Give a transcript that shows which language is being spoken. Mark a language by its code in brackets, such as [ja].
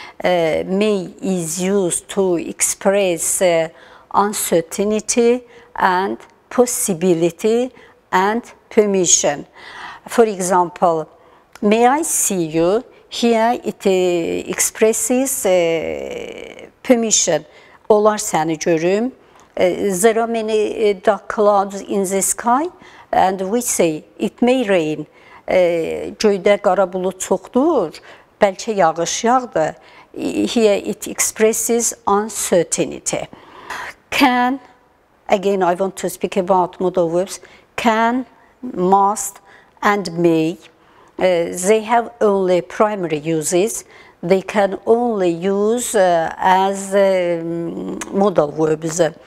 [en] May is used to express uncertainty and possibility and permission. For example, may I see you? Here it expresses permission. [az] Olar səni görüm. [en] There are many dark clouds in the sky and we say it may rain. [az] Göydə qara bulud çoxdur, bəlkə yağış yağdı. [en] Here it expresses uncertainty. Can, again I want to speak about modal verbs, can, must and may. They have only primary uses. They can only use as modal verbs.